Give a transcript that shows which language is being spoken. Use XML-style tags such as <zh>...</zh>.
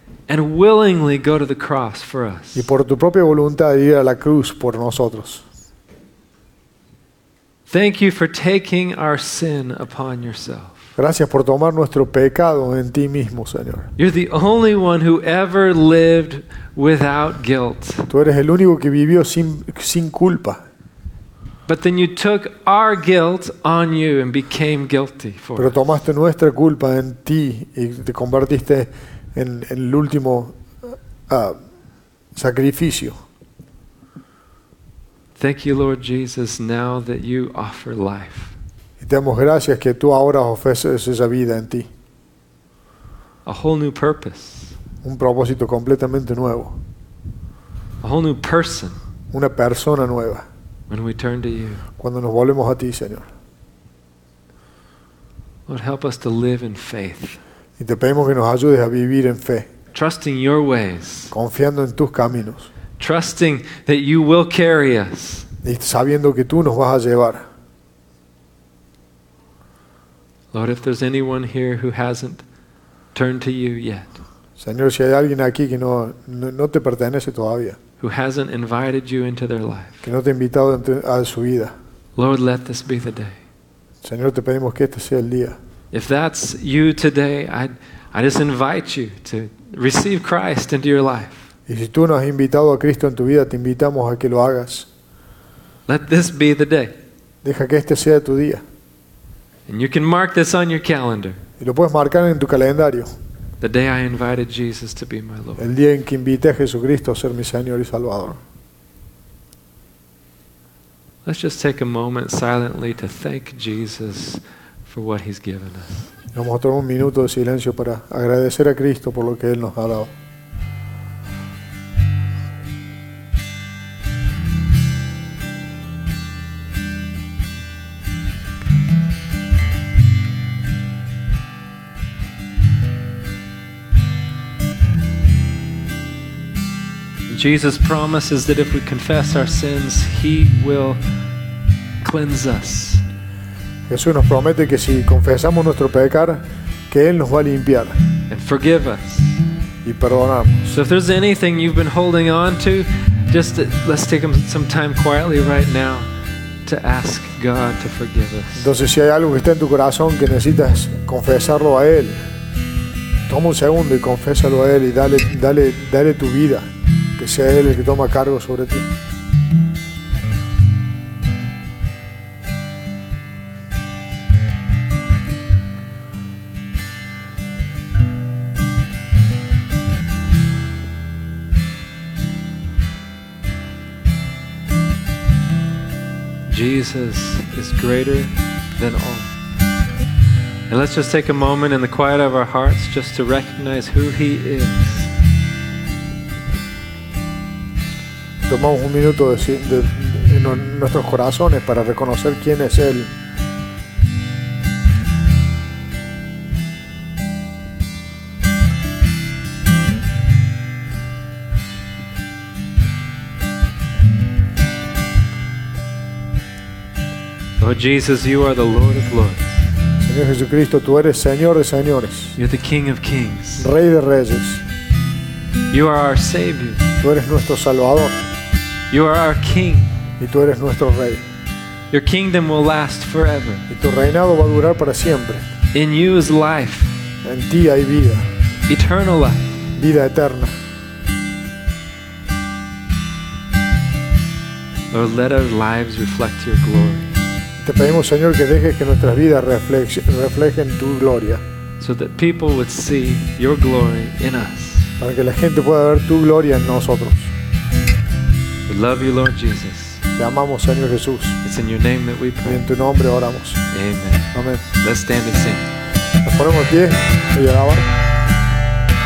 <en>And willingly go to the cross for us.</en> <es>Y por tu propia voluntad ir a la cruz por nosotros.</es> <en>Thank you for taking our sin upon yourself.</en> <es>Gracias por tomar nuestro pecado en ti mismo, Señor.</es> <en>You're the only one who ever lived without guilt.</en> <es>Tú eres el único que vivió sin culpa.</es> <en>But then you took our guilt on you and became guilty for it.</en> <es>Pero tomaste nuestra culpa en ti y te convertiste en el último sacrificio.</es> <en>Thank you, Lord Jesus, now that you offer life.</en> <es>Y te damos gracias que tú ahora ofreces esa vida en ti.</es> <en>A whole new purpose.</en> <es>Un propósito completamente nuevo.</es> <en>A whole new person.</en> <es>Una persona nueva.</es> <en>When we turn to you.</en> <es>Cuando nos volvemos a ti, Señor.</es> <en>Lord, help us to live in faith.</en> <es>Y te pedimos que nos ayudes a vivir en fe.</es> <en>Trusting your ways.</en> <es>Confiando en tus caminos.</es> <en>Trusting that you will carry us.</en> <es>Y sabiendo que tú nos vas a llevar.</es> <en>Lord, if there's anyone here who hasn't turned to you yet.</en> <es>Señor, si hay alguien aquí que no te pertenece todavía.</es> <en>Who hasn't invited you into their life.</en> <es>Que no te ha invitado a su vida.</es> <en>Lord, let this be the day.</en> <es>Señor, te pedimos que este sea el día.</es> <en>If that's you today, I just invite you to receive Christ into your life.</en> <es>Y si tú no has invitado a Cristo en tu vida, te invitamos a que lo hagas.</es> <en>Let this be the day.</en> <es>Deja que este sea tu día.</es> <en>And you can mark this on your calendar.</en> <es>Y lo puedes marcar en tu calendario.</es> <en>The day I invited Jesus to be my Lord.</en> <es>El día en que invité a Jesucristo a ser mi Señor y Salvador.</es> <en>Let's just take a moment silently to thank Jesus for what he's given us.</en> <es>Vamos a tomar un minuto de silencio para agradecer a Cristo por lo que él nos ha dado.</es> <en>Jesus promises that if we confess our sins, he will cleanse us.</en> <es>Jesús nos promete que si confesamos nuestro pecado, que él nos va a limpiar.</es> <en>And forgive us.</en> <es>Y perdonamos.</es> <en>So if there's anything you've been holding on to, just let's take some time quietly right now to ask God to forgive us.</en> <es>Entonces, si hay algo que está en tu corazón que necesitas confesarlo a él, toma un segundo y confésalo a él y dale tu vida. Que sea él el que toma cargo sobre ti.</es> <en>Jesus is greater than all. And let's just take a moment in the quiet of our hearts just to recognize who he is.</en> <es>Tomamos un minuto en nuestros corazones para reconocer quién es él.</es> <en>Lord Jesus, you are the Lord of Lords.</en> <es>Señor Jesucristo, tú eres Señor de Señores.</es> <en>You're the King of Kings.</en> <es>Rey de Reyes.</es> <en>You are our Savior.</en> <es>Tú eres nuestro Salvador.</es> <en>You are our king.</en> <es>Y tú eres nuestro rey.</es> <en>Your kingdom will last forever.</en> <es>Y tu reinado va a durar para siempre.</es> <en>In you is life.</en> <es>En ti hay vida.</es> <en>Eternal life.</en> <es>Vida eterna.</es> <en>Lord, let our lives reflect your glory.</en> <es>Te pedimos, Señor, que dejes que nuestras vidas reflejen tu gloria.</es> <en>So that people would see your glory in us.</en> <es>Para que la gente pueda ver tu gloria en nosotros.</es> <en>We love you, Lord Jesus.</en> <es>Te amamos, Señor Jesús.</es> <en>It's in your name that we pray.</en> <es>Y en tu nombre oramos.</es> <en>Amen.</en> <es>Amen.</es> <en>Let's stand and sing.</en> <es>Nos ponemos pie y alabar.</es>